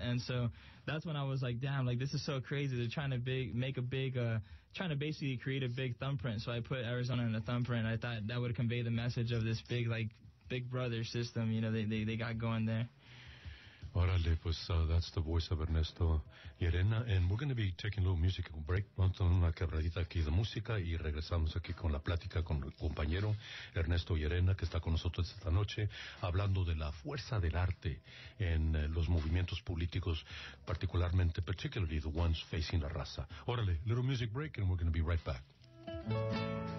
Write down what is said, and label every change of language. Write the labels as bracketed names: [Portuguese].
[English] And so that's when I was like, damn, like this is so crazy. They're trying to basically create a big thumbprint. So I put Arizona in a thumbprint. I thought that would convey the message of this big, like, big brother system, you know, they got going there. [Spanish] Órale, pues [English] that's the voice of Ernesto Llerena. And we're going to be taking a little music break. [Spanish] Vamos a tomar una quebradita aquí de música y regresamos aquí con la plática con el compañero Ernesto Llerena, que está con nosotros esta noche, hablando de la fuerza del arte en los movimientos políticos, [English] particularly the ones facing [Spanish] la raza. Órale, [English] little music break and we're going to be right back.